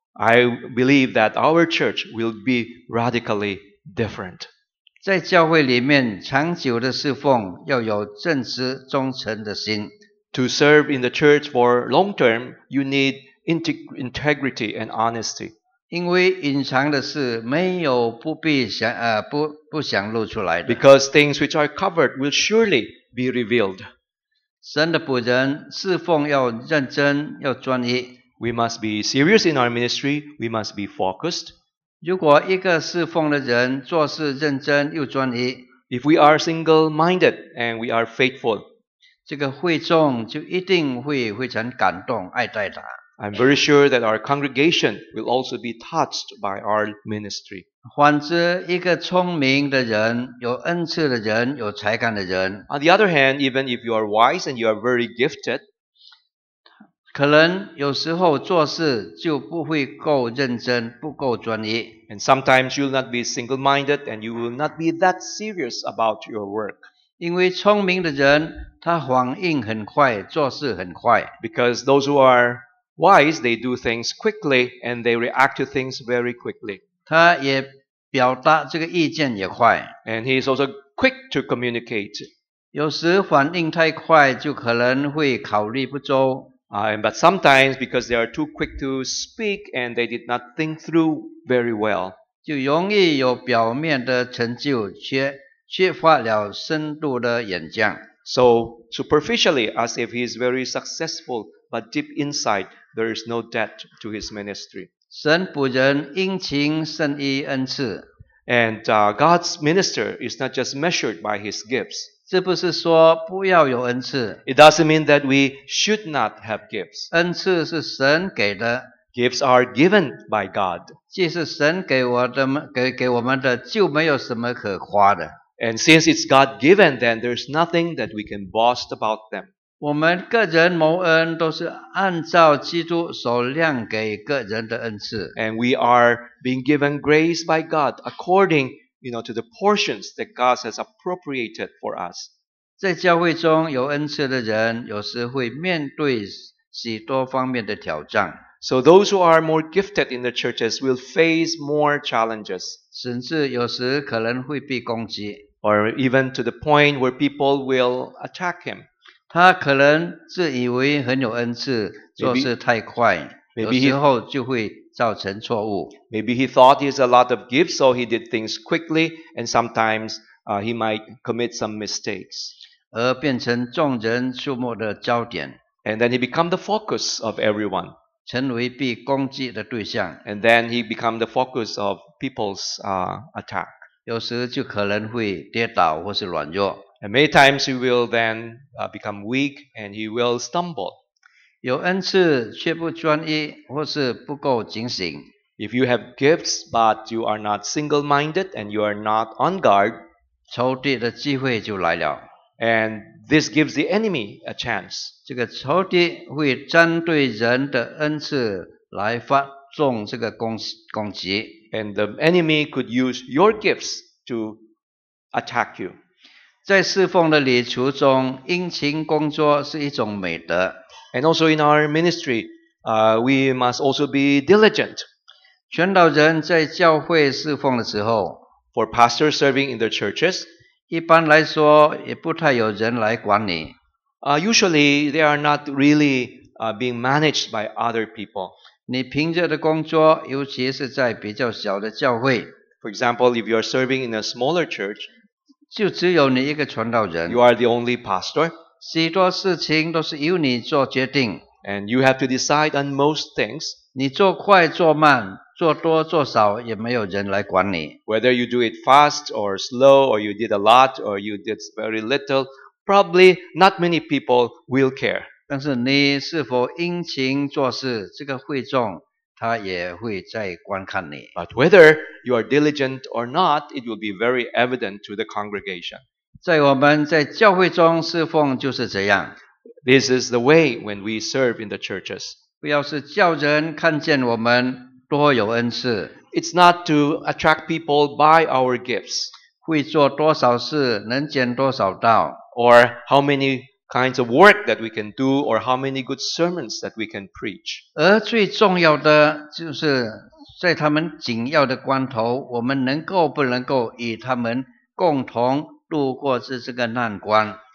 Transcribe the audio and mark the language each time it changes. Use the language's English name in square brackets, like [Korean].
[English] I believe that our church will be radically different. [Chinese] 在教会里面长久的侍奉要有正直忠诚的心。 [English] To serve in the church for long term, you need integrity and honesty. [Chinese] 因为隐藏的事没有不必想不想露出来的。 [English] Because things which are covered will surely be revealed. [Chinese] 神的仆人侍奉要认真要专一。 [English] We must be serious in our ministry, we must be focused. [Chinese] 如果一个侍奉的人做事认真又专一 [English] ，If we are single-minded and we are faithful， [Chinese] 这个会众就一定会非常感动，爱戴他。 [English] I'm very sure that our congregation will also be touched by our ministry。 [Chinese] 反之，一个聪明的人、有恩赐的人、有才干的人 [English] ，On the other hand, even if you are wise and you are very gifted。 [Chinese] 可能有时候做事就不会够认真，不够专一。 [English] And sometimes you'll not be single-minded and you will not be that serious about your work. [Chinese] 因为聪明的人，他反应很快，做事很快。 [English] Because those who are wise, they do things quickly and they react to things very quickly. [Chinese] 他也表达这个意见也快。 [English] And he is also quick to communicate. [Chinese] 有时反应太快，就可能会考虑不周。 [English] But sometimes, because they are too quick to speak and they did not think through very well, [Chinese] 就容易有表面的成就，缺乏了深度的演讲。 [English] So superficially, as if he is very successful, but deep inside, there is no depth to his ministry. [Chinese] 神仆人殷勤胜于恩赐。 [English] And God's minister is not just measured by his gifts. [Chinese] 是不是说不要有恩赐 [English] ？It doesn't mean that we should not have gifts. [Chinese] 恩赐是神给的。 [English] Gifts are given by God. [Chinese] 既是神给我们的，就没有什么可夸的。 [English] And since it's God given, then there's nothing that we can boast about them. [Chinese] 我们个人蒙恩都是按照基督所量给个人的恩赐。 [English] And we are being given grace by God according, you know, to the portions that God has appropriated for us. [Chinese] 在教会中有恩赐的人有时会面对许多方面的挑战。 [English] So those who are more gifted in the churches will face more challenges. [Chinese] 甚至有时可能会被攻击。 [English] Or even to the point where people will attack him. [Chinese] 他可能自以为很有恩赐，做事太快，有时候就会造成错误。 [English] Maybe he thought he has a lot of gifts, so he did things quickly, and sometimes, he might commit some mistakes. [Chinese] 而变成众人注目的焦点。 [English] And then he become the focus of everyone. [Chinese] 成为被攻击的对象 [English] and then he become the focus of people's attack. [Chinese] 有时就可能会跌倒或是软弱 [English] and many times he will then become weak and he will stumble. [Chinese] 有恩赐却不专一或是不够警醒 [English] If you have gifts but you are not single-minded and you are not on guard, [Chinese] 仇敌的机会就来了 [English] andThis gives the enemy a chance. [Chinese] 这个仇敌会针对人的恩赐来发动这个攻击。 [English] And the enemy could use your gifts to attack you. [Chinese] 在侍奉的礼俗中，殷勤工作是一种美德。 [English] And also in our ministry, we must also be diligent. [Chinese] 传道人在教会侍奉的时候 [English] ，for pastors serving in the churches. [Chinese] 一般来说也不太有人来管你。 [English] Usually, they are not really being managed by other people. [Chinese] 你凭着的工作尤其是在比较小的教会。 [English] For example, if you are serving in a smaller church, [Chinese] 就只有你一个传道人。 [English] You are the only pastor. [Chinese] 许多事情都是由你做决定。 [English] And you have to decide on most things. [Chinese] 你做快做慢。做多做少也没有人来管你。 [English] Whether you do it fast or slow, or you did a lot, or you did very little, probably not many people will care. [Chinese] 但是你是否殷勤做事，这个会众他也会在观看你。 [English] But whether you are diligent or not, it will be very evident to the congregation. [Chinese] 在我们在教会中侍奉就是这样。 [English] This is the way when we serve in the churches. [Chinese] 不要是叫人看见我们多有恩赐 [English] It's not to attract people by our gifts. [Chinese] 会做多少事能捡多少道 [English] Or how many kinds of work that we can do or how many good sermons that we can preach. [Chinese] 而最重要的就是在他们紧要的关头我们能够不能够与他们共同度过这个难关